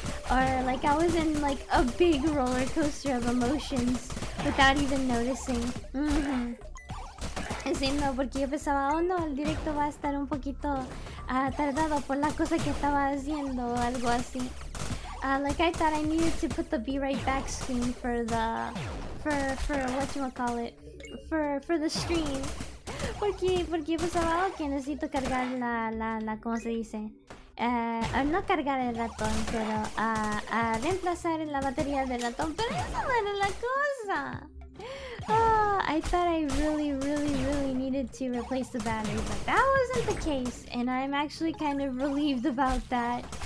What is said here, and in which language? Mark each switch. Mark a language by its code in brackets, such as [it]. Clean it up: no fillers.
[en] Or like I was in like a big roller coaster of emotions without even noticing. [es] Sí, no, porque yo pensaba, oh no, el directo va a estar un poquito tardado por las cosas que estaba haciendo o algo así. [en] Like I thought I needed to put the be right back screen for the stream. [es] Porque yo pensaba que necesito cargar la ¿cómo se dice? No cargar el ratón, pero a reemplazar la batería del ratón. Pero eso no era la cosa. [en] Oh, I thought I really, really, really needed to replace the battery, but that wasn't the case. And I'm actually kind of relieved about that.